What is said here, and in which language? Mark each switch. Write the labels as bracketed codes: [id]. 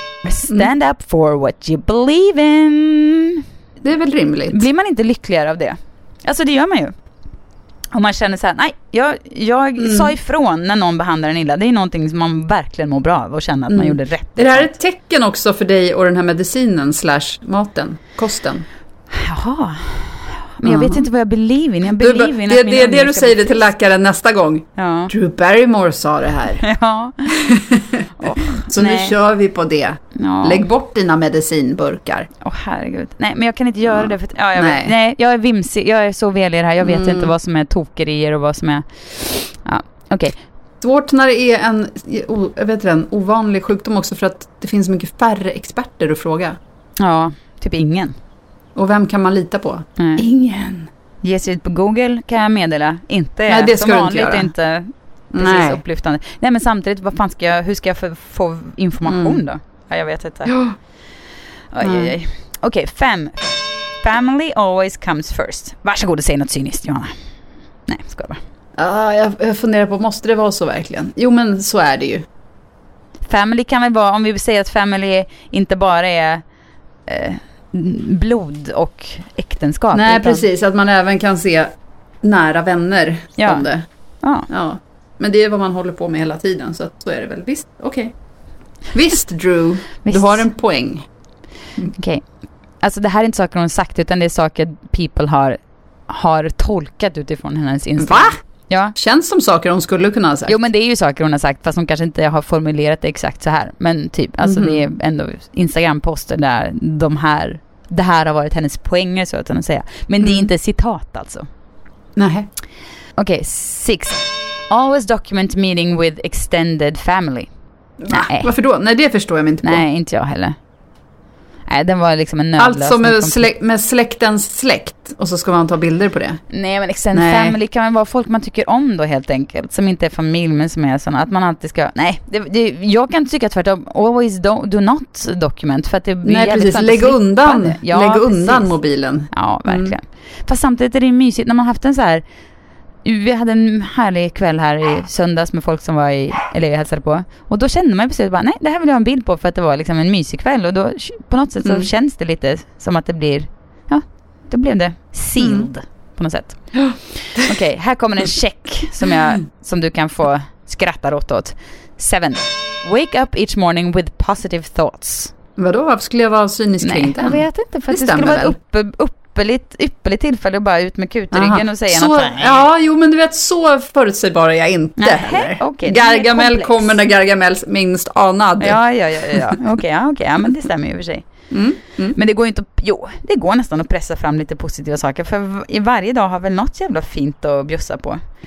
[en] Stand up for what you believe in. [sv] Det är väl rimligt. Blir man inte lyckligare av det? Alltså det gör man ju. Om man känner så här, nej, jag sa ifrån när någon behandlar en illa. Det är någonting som man verkligen mår bra av och känner att man gjorde rätt. Är det här ett tecken också för dig och den här medicinen/maten, kosten? Jaha. Men jag vet inte vad jag [en] believe in. [sv] Jag believe in det, att det du säger till läkaren nästa gång. Ja. Drew Barrymore sa det här. Ja. Så nu kör vi på det. Ja. Lägg bort dina medicinburkar. Åh, herregud. Nej, men jag kan inte göra det. För att, ja, jag, nej, jag är vimsig. Jag är så väl i det här. Jag vet inte vad som är tokerier och vad som är... Ja. Okej. Okay. Svårt när det är en, jag vet inte, en ovanlig sjukdom också, för att det finns mycket färre experter att fråga. Ja, typ ingen. Och vem kan man lita på? Mm. Ingen. Ge sig ut på Google kan jag meddela. Inte nej, det ska som du vanligt, inte göra. Inte precis nej. Upplyftande. Nej, men samtidigt, vad fan ska jag, hur ska jag få information då? Ja, jag vet inte. Ja. Okej, fem. [en] Family always comes first. [sv] Varsågod och säg något cyniskt, Johanna. Nej, ska det vara. Jag funderar på, måste det vara så verkligen? Jo, men så är det ju. Family kan väl vara, om vi vill säga att family inte bara är blod och äktenskap. Nej, utan... precis. Att man även kan se nära vänner ja. Om det. Ja. Ja. Men det är vad man håller på med hela tiden. Så att, så är det väl. Visst, okej. Okay. Visst, Drew. Visst. Du har en poäng. Okej. Okay. Alltså, det här är inte saker hon sagt, utan det är saker [en] people [sv] har tolkat utifrån hennes inställning. Va? Ja. Känns som saker hon skulle kunna ha sagt. Jo, men det är ju saker hon har sagt, fast hon kanske inte har formulerat det exakt så här. Men typ, alltså det är ändå Instagram-poster där de här, det här har varit hennes poänger, så att hon säger. Men det är inte citat alltså. Nej. Okej, [en] six. Always document meeting with extended family. [sv] Nej. Varför då? Nej, det förstår jag inte på. Nej, inte jag heller. Nej, den var liksom en nödlösning. Allt som är med släktens släkt. Och så ska man ta bilder på det. Nej, men [en] extended family [sv] kan väl vara folk man tycker om då helt enkelt. Som inte är familj, men som är sådana. Att man alltid ska... Nej, det, jag kan tycka tvärtom. [en] Always do not document. [sv] För att det nej, precis. Lägg undan. Ja, lägg precis. Undan mobilen. Ja, verkligen. Fast samtidigt är det mysigt. När man haft en så här... Vi hade en härlig kväll här i söndags med folk som var i eller jag hälsade på. Och då kände man precis bara, nej, det här vill jag ha en bild på, för att det var liksom en mysig kväll. Och då på något sätt så känns det lite som att det blir, ja, då blev det [en] sealed [sv] på något sätt. Okej, okay, här kommer en check som du kan få skratta åt. [en] Seven. Wake up each morning with positive thoughts. [sv] Vadå, varför skulle jag vara cynisk? Nej, jag vet inte, för att det skulle vara ypperligt tillfälle att bara ut med kutryggen och säga så, något. Ja, jo, men du vet, så förutsägbar är jag inte. [en] Okay, [sv] Gargamel kommer när Gargamel minst anad. Ja. Okej, men det stämmer ju för sig. Men det går ju inte att, jo, det går nästan att pressa fram lite positiva saker, för varje dag har väl något jävla fint att bjussa på.